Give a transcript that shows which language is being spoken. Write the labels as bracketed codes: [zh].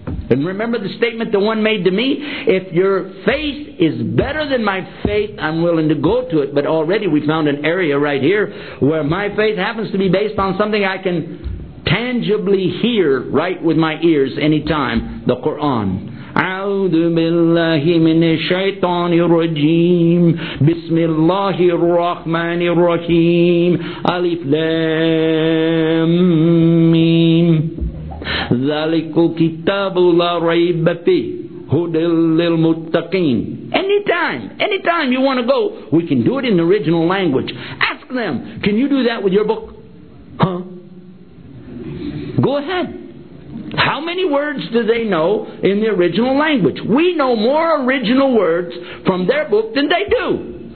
[en] And remember the statement the one made to me? If your faith is better than my faith, I'm willing to go to it. But already we found an area right here where my faith happens to be based on something I can tangibly hear right with my ears anytime. The Quran. [ar] أعوذ بالله من الشيطان الرجيم بسم الله الرحمن الرحيم ألف لام ميم ذلك كتاب لا ريب فيه هدى للمتقين. [en] Anytime you want to go, we can do it in the original language. Ask them, can you do that with your book? Huh? Go ahead. How many words do they know in the original language? We know more original words from their book than they do.